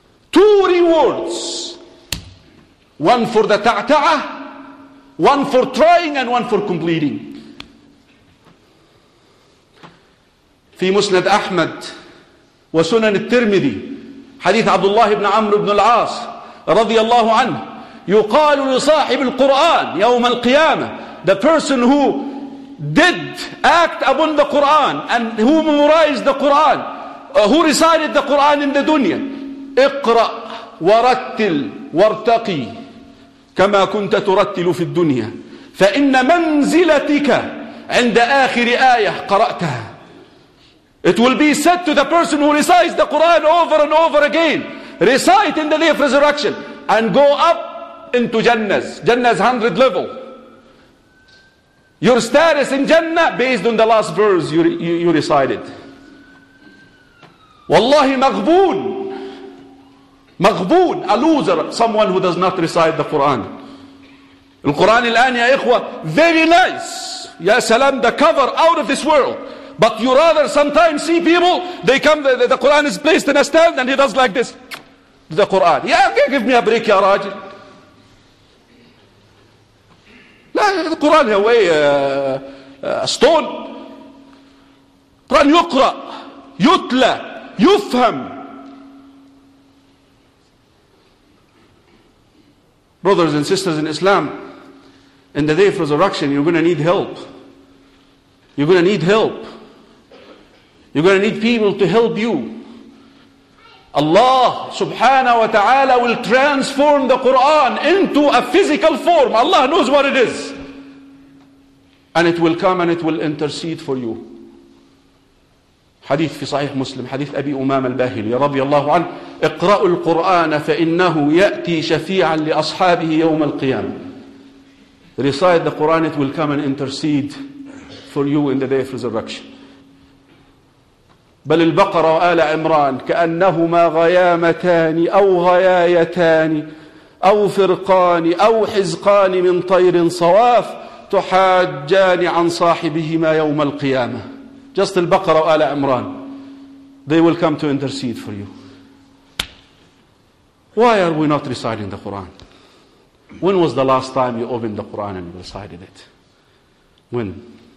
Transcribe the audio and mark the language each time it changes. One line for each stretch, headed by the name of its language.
English: Two rewards. One for the تَعْتَعَة, one for trying and one for completing.
Arabic: في مسند أحمد وسنن الترمذي حديث عبد الله بن عمرو بن العاص رضي الله عنه, يقال لصاحب القرآن يوم القيامة,
English: the person who did act upon the Quran and who memorized the Quran, who recited the Quran in the dunya,
Arabic: اقرأ ورتل وارتقي كما كنت ترتل في الدنيا فإن منزلتك عند آخر آية قرأتها.
English: It will be said to the person who recites the Quran over and over again, recite in the day of resurrection and go up into Jannah's 100 level. Your status in Jannah based on the last verse you recited. Wallahi maghboon. Maghboon, a loser, someone who does not recite the Quran. The Quran
Arabic: الآن يا إخوة,
English: very nice. Ya salam, the cover out of this world. But you rather sometimes see people, they come, the Quran is placed in a stand and he does like this. The Quran. Yeah, give me a break, ya Rajin. The Quran is a stone.
Arabic: Quran يقرأ, يتلى, يفهم.
English: Brothers and sisters in Islam, in the day of resurrection, you're going to need help. You're going to need help. You're going to need people to help you. Allah subhanahu wa ta'ala will transform the Quran into a physical form. Allah knows what it is. And it will come and it will intercede for you.
Arabic: Hadith fi Sahih Muslim, hadith Abi Umam al-Bahili, radiyallahu anhu, اقرأوا القرآن فإنه يأتي شفيعا لأصحابه يوم القيامة.
English: Recite the Quran, it will come and intercede for you in the day of resurrection.
Arabic: بل البقرة وآل عمران كأنهما غيامتان أو غيايتان أو فرقان أو حزقان من طير صواف تحاجان عن صاحبهما يوم القيامة.
English: Just البقرة وآل عمران, they will come to intercede for you. Why are we not reciting the Quran? When was the last time you opened the Quran and recited it? When?